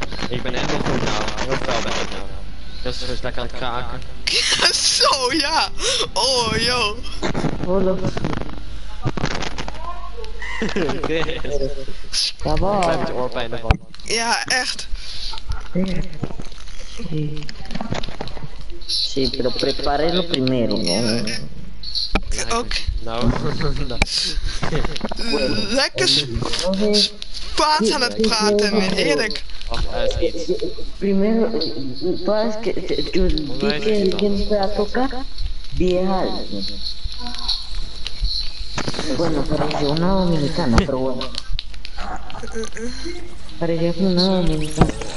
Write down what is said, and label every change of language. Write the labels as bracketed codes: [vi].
[nl] Ik ben echt wel goed nou. Heel fel ben ik nou. Chris is lekker aan het kraken. Zo, ja. Oh, yo. Oh, dat was goed. Chris. Ja, man. Ik heb het oorpijn ervan. Ja, echt. [es] Sí, pero preparé lo primero, ¿no? Ok. No. [nl] Lekker Spaans aan het praten, Erik. [es] Primero, ¿sabes que tú dije que no se va a tocar? Vieja. Bueno, pareció una dominicana, pero bueno. Pareció una dominicana.